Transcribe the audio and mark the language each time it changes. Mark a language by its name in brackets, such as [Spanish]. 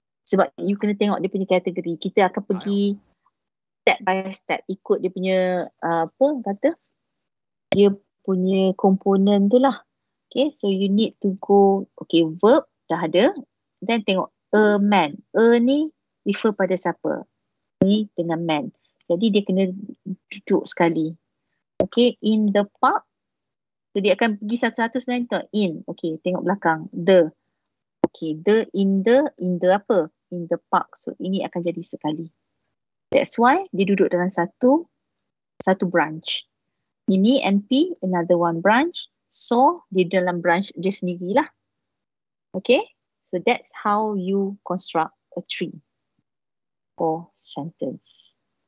[Malay] Sebab you kena tengok dia punya kategori. Kita akan pergi [English] step by step, [Malay] ikut dia punya apa kata, dia punya komponen tu lah. [English] Okay, so you need to go, okay, [Malay] verb dah ada, [English] then [Malay] tengok [English] a man. [Malay] A ni refer pada siapa? Ni dengan man. Jadi dia kena duduk sekali. [English] Okay, in the park. [Malay] So dia akan pergi satu-satu sebenarnya tu. [English] In, okay, [Malay] tengok belakang. [English] The. Okay, the in the, in the apa? In the park. [Malay] So ini akan jadi sekali. [English] That's why [Malay] dia duduk dalam satu satu branch. Ini NP, [English] another one branch. [Malay] So, dia dalam branch dia sendirilah. [English] Okay? So, that's how you construct a tree or sentence.